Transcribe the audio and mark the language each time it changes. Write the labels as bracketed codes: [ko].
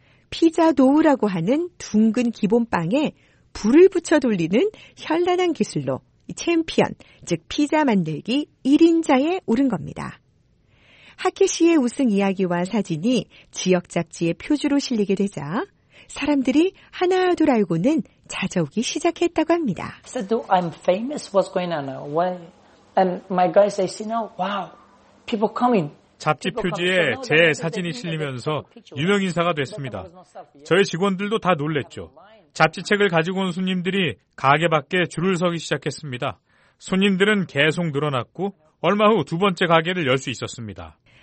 [ko] 피자 도우라고 하는 둥근 기본빵에 불을 붙여 돌리는 현란한 기술로 챔피언, 즉 피자 만들기 1인자에 오른 겁니다. 하키 씨의 우승 이야기와 사진이 지역 잡지의 표지로 실리게 되자 사람들이 하나둘 알고는 찾아오기 시작했다고 합니다. [en] So do I'm famous? What's going on? Why? And my guys say, you know, wow, people coming. [ko] 잡지 표지에 제 사진이 실리면서 유명 인사가 됐습니다. 저희 직원들도 다 놀랬죠. 잡지책을 가지고 온 손님들이 가게 밖에 줄을 서기 시작했습니다. 손님들은 계속 늘어났고 얼마 후 두 번째 가게를 열 수 있었습니다.